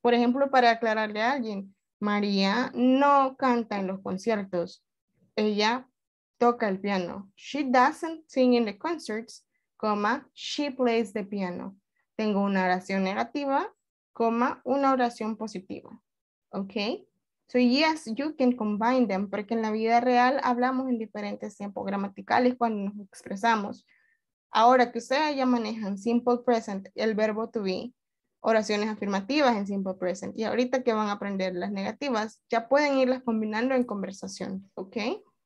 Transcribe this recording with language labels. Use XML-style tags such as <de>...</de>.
<es>Por ejemplo, para aclararle a alguien, María no canta en los conciertos. Ella toca el piano.</es> <en>She doesn't sing in the concerts, comma, she plays the piano.</en> <es>Tengo una oración negativa, comma, una oración positiva. Okay.</es> <en>So yes, you can combine them,</en> <es>porque en la vida real hablamos en diferentes tiempos gramaticales cuando nos expresamos. Ahora que ustedes ya manejan simple present, el verbo to be, oraciones afirmativas en simple present, y ahorita que van a aprender las negativas, ya pueden irlas combinando en conversación, ¿ok?</es>